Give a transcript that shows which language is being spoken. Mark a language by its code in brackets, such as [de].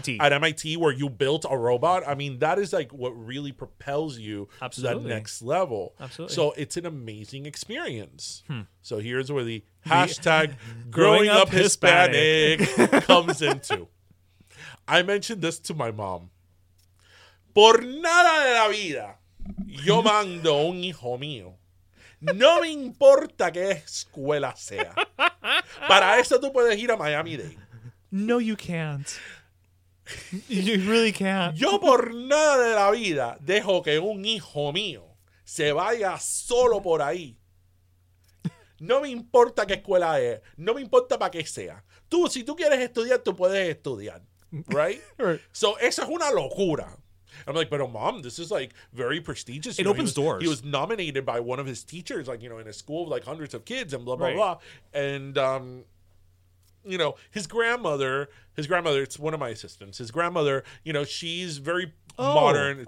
[en] At MIT where you built a robot. I mean, that is, like, what really propels you to that next level. Absolutely. So it's an amazing experience. So here's where the hashtag growing up Hispanic comes into. I mentioned this to my mom. [es] Por nada de la vida, yo mando un hijo mío. No me importa qué escuela sea. Para eso tú puedes ir a Miami-Dade. [en] No, you can't. You really can't. [es] Yo por nada de la vida dejo que un hijo mío se vaya solo por ahí. No me importa qué escuela es. No me importa para qué sea. Tú, si tú quieres estudiar, tú puedes estudiar. [en] Right? Right. [es] So, esa es una locura. [en] I'm like, but mom, this is like very prestigious. It opens doors. He was nominated by one of his teachers, like, you know, in a school with like hundreds of kids and blah, blah, blah. And, you know, his grandmother, it's one of my assistants, his grandmother, you know, she's very modern.